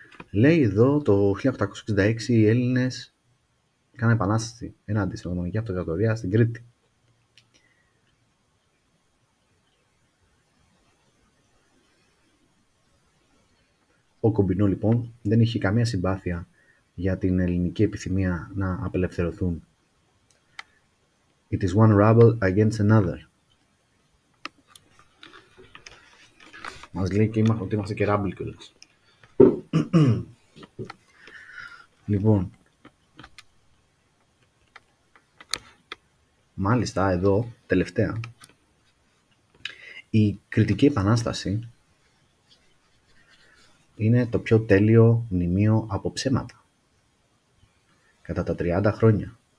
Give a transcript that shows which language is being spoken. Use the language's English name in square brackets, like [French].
[Greek] Λέει εδώ, το 1866 οι Έλληνες κάναν επανάσταση έναντι στην Οθωμανική Αυτοκρατορία στην Κρήτη. Ο Κομπινό λοιπόν δεν είχε καμία συμπάθεια για την ελληνική επιθυμία να απελευθερωθούν. [English] It is one rebel against another. [Greek] Μας λέει και ότι είμαστε και rebel κιόλας. Λοιπόν, μάλιστα εδώ τελευταία, η κριτική επανάσταση είναι το πιο τέλειο μνημείο από ψέματα κατά τα 30 χρόνια.